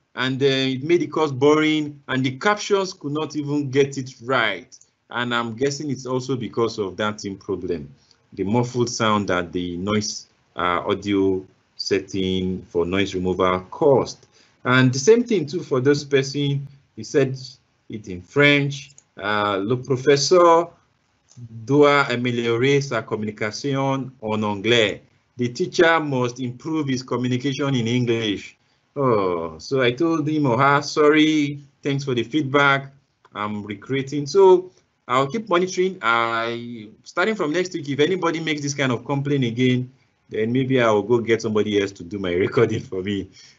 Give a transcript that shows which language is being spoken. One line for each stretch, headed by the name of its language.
English: and then it made the course boring, and the captions could not even get it right. And I'm guessing it's also because of that same problem, the muffled sound that the noise audio setting for noise removal caused. And the same thing too for this person, he said it in French.
French: Le professeur doit améliorer sa communication en anglais.
English: The teacher must improve his communication in English. Oh, so I told him or her, sorry, thanks for the feedback. I'm recreating. So I'll keep monitoring. Starting from next week, if anybody makes this kind of complaint again, then maybe I'll go get somebody else to do my recording for me.